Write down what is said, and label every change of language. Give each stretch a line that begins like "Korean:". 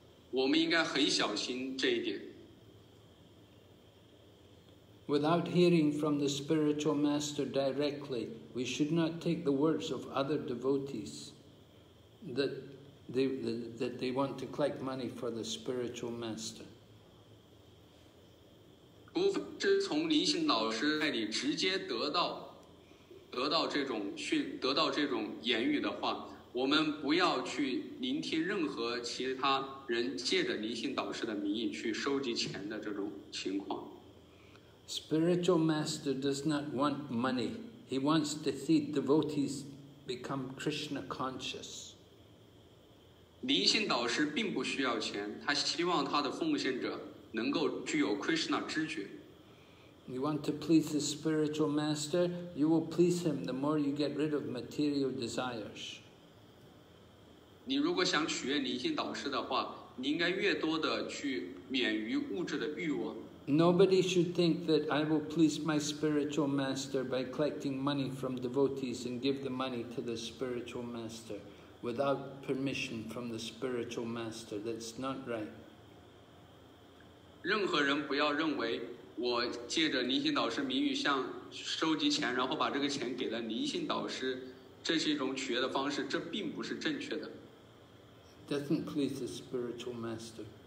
Chinese: 我们应该很小心这一点。
English: Without hearing from the spiritual master directly, we should not take the words of other devotees that they want to collect money for the spiritual master.
Chinese: 除非是从灵性导师那里直接得到这种言语的话，我们不要去聆听任何其他人借着灵性导师的名义去收集钱的这种情况。
English: Spiritual master does not want money. He wants to see devotees become Krishna conscious.
Chinese: 灵性导师并不需要钱，他希望他的奉献者能够具有 Krishna 知觉。
English: You want to please the spiritual master, you will please him the more you get rid of material desires.
Chinese: 你如果想取悦灵性导师的话，你应该越多的去免于物质的欲望。
English: Nobody should think that I will please my spiritual master by collecting money from devotees and give the money to the spiritual master. Without permission from the spiritual master, that's not right.
Chinese: 任何人不要认为我借着灵性导师名誉向收集钱，然后把这个钱给了灵性导师，这是一种取悦的方式，这并不是正确的。
English: Doesn't please the spiritual master.